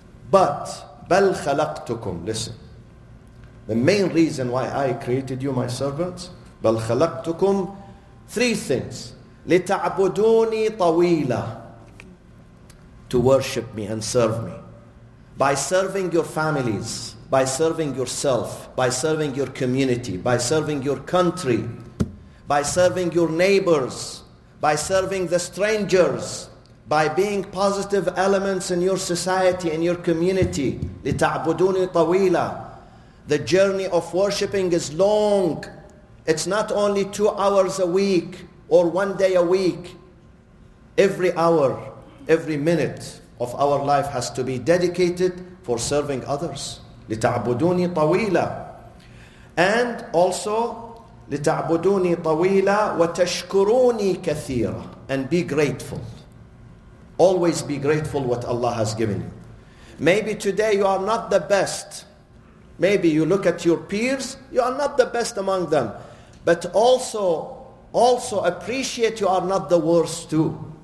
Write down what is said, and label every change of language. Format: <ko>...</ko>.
<ar>But بَلْ خَلَقْتُكُمْ.</ar> <en>Listen. The main reason why I created you, my servants,</en> <ar>بَلْ خَلَقْتُكُمْ,</ar> <en>three things.</en> <ar>لِتَعْبُدُونِي طَوِيلًا.</ar> <en>To worship me and serve me. By serving your families, by serving yourself, by serving your community, by serving your country, by serving your neighbors, by serving the strangers, by being positive elements in your society, in your community.</en> <ar>لِتَعْبُدُونِي طَوِيلًا.</ar> <en>The journey of worshipping is long. It's not only 2 hours a week or one day a week. Every hour, every minute of our life has to be dedicated for serving others.</en> <ar>لِتَعْبُدُونِي طَوِيلًا.</ar> <en>And also,</en> <ar>لِتَعْبُدُونِي طَوِيلًا وَتَشْكُرُونِي كَثِيرًا.</ar> <en>And be grateful. Always be grateful what Allah has given you. Maybe today you are not the best. Maybe you look at your peers, you are not the best among them. But also appreciate you are not the worst too.</en>